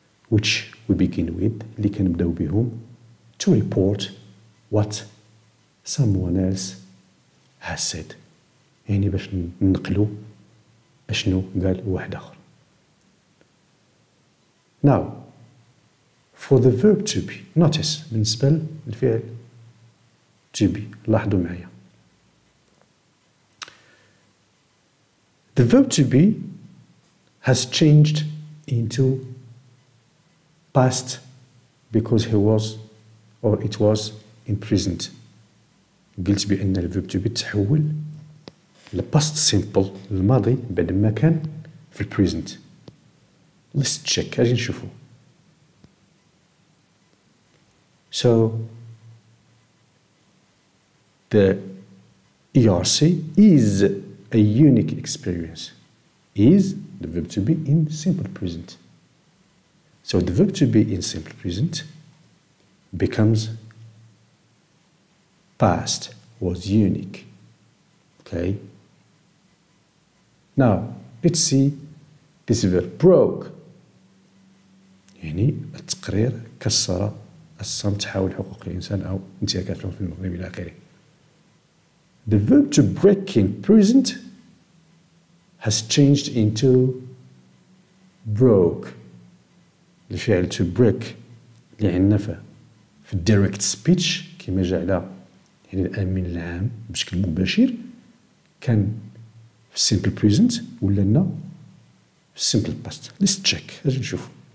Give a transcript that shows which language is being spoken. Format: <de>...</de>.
<en>which we begin with</en> <ar>اللي كنبداو بهم</ar> <en>to report what someone else has said</en> <ar>يعني باش ننقلو اشنو قال واحد اخر.</ar> <en>Now for the verb to be, notice</en> <ar>بالنسبة للفعل</ar> <en>to be</en> <ar>لاحظوا معايا.</ar> <en>The verb to be has changed into past because he was or it was imprisoned.</en> <ar>قلت بأن الـ verb to be تحول الـ past simple الماضي بعد ما كان في الـ present.</ar> <en>Let's check.</en> <ar>أجي نشوفه.</ar> <en>So the ERC is a unique experience. Is the verb to be in simple present. So the verb to be in simple present becomes past, was unique. Okay. Now, let's see this verb, broke.</en> <ar>يعني التقرير كسر الصمت حول حقوق الإنسان أو انتهاكات في المغرب إلى آخره.</ar> <en>The verb to break in present has changed into broke.</en> <ar>الفعل to break اللي عندنا في direct speech كما جاء على يعني الأمين العام بشكل مباشر كان في simple present ولا لنا في simple past.</ar> <en>Let's check.</en> <ar>أجي نشوف.</ar>